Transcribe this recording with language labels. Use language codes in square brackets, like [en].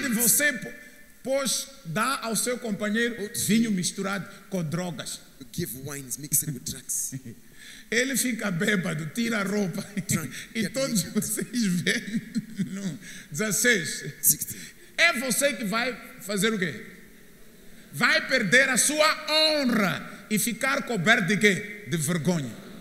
[pt] Ai de você, pois dá ao seu companheiro vinho misturado com drogas. [en] Give wines mixed with drugs. [pt] Ele fica bêbado, tira a roupa. [en] Drunk, [pt] e todos [en] injured. [pt] Vocês vêm. 16. 16. É você que vai fazer o quê? Vai perder a sua honra e ficar coberto de quê? De vergonha.